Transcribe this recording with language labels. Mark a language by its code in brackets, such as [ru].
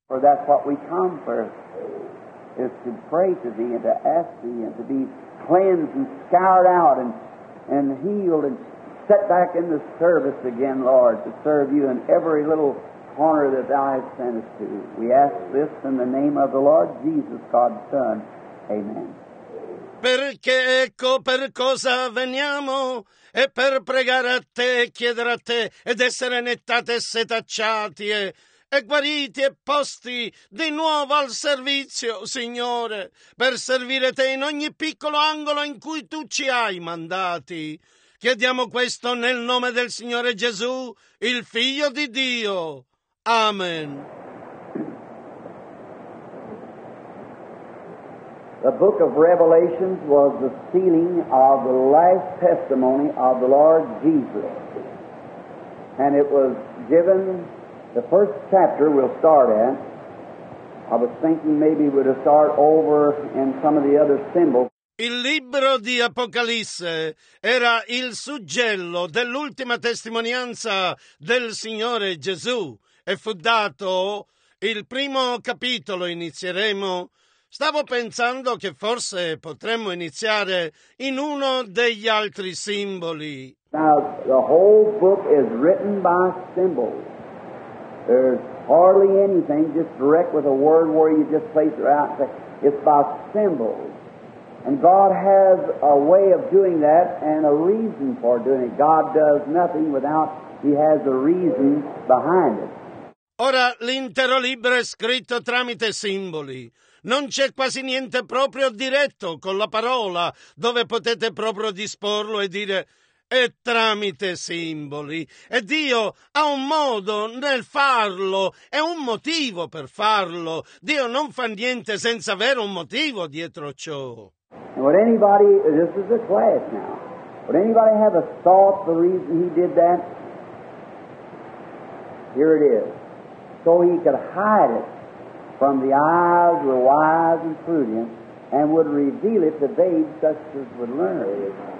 [en] For that's what we come for, is to pray to Thee and to ask Thee and to be cleansed and scoured out and healed and set back in the service again, Lord, to serve You in every little corner that Thou hast sent us to. We ask this in the name of the Lord Jesus, God's Son. Amen. [it] Perché ecco per cosa veniamo, e per pregare a te, chiedere a te, ed essere nettati e setacciati, e guariti e posti di nuovo al servizio, Signore, per servire te in ogni piccolo angolo in cui tu ci hai mandati. Chiediamo questo nel nome del Signore Gesù, il Figlio di Dio. Amen. [en] The book of Revelations was the sealing of the last testimony of the Lord Jesus. And it was given, the first chapter we'll start at. I was thinking maybe we'd start over in some of the other symbols. [it] Il libro di Apocalisse era il suggello dell'ultima testimonianza del Signore Gesù e fu dato il primo capitolo, inizieremo. Stavo pensando che forse potremmo iniziare in uno degli altri simboli. [en] Now, the whole book is written by symbols. There's hardly anything just direct with a word where you just place it out. It's by symbols. And God has a way of doing that and a reason for doing it. God does nothing without he has a reason behind it. [it] Ora, l'intero libro è scritto tramite simboli. Non c'è quasi niente proprio diretto con la parola dove potete proprio disporlo e dire è tramite simboli. E Dio ha un modo nel farlo, è un motivo per farlo. Dio non fa niente senza avere un motivo dietro ciò. [en] Would anybody, this is a class now, would anybody have a thought the reason he did that? Here it is. So he could hide it from the eyes of the wise and prudent, and would reveal it to babes such as would learn.